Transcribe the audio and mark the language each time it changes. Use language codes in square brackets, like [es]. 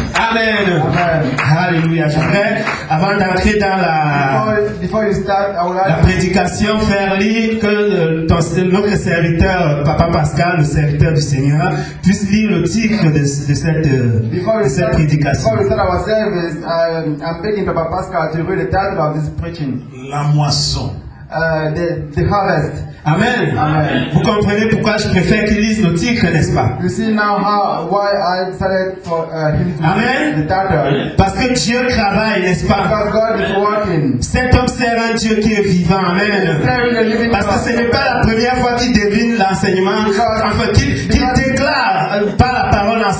[fr] Amen. Alléluia. J'aimerais, avant d'entrer dans la prédication, faire lire que notre serviteur, Papa Pascal, le serviteur du Seigneur, puisse lire le titre de cette prédication. [en] Before we start our service, I'm begging Papa Pascal to read the title of this preaching. [fr] La moisson. [en] The harvest. Amen. Amen. [fr] Vous comprenez pourquoi je préfère qu'il lise le titre, n'est-ce pas? [en] You see now why I decided for him to Amen. The title. [fr] Parce que Dieu travaille, n'est-ce pas? [en] Because God is working. [fr] Cet homme sert un Dieu qui est vivant. Amen. Parce que ce n'est pas la première fois qu'il devine l'enseignement. Enfin, qu'il déclare par la parole enseignée.